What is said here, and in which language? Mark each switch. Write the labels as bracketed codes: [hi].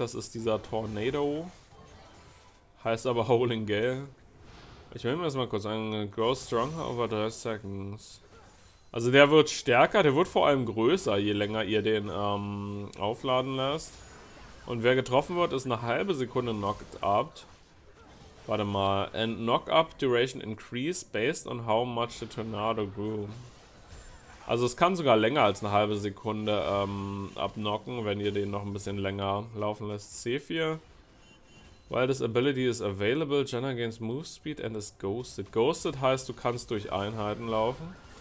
[de] Das ist dieser Tornado. Heißt aber Howling Gale. Ich will mir das mal kurz sagen. [en] Grow stronger over 30 seconds. [de] Also der wird stärker, der wird vor allem größer, je länger ihr den aufladen lässt. Und wer getroffen wird, ist eine halbe Sekunde knocked up. Warte mal. [en] And knock up duration increase based on how much the tornado grew. [de] Also es kann sogar länger als eine halbe Sekunde abknocken, wenn ihr den noch ein bisschen länger laufen lässt. C4. [en] While this ability is available, Janna gains move speed and is ghosted. [de] Ghosted heißt, du kannst durch Einheiten laufen.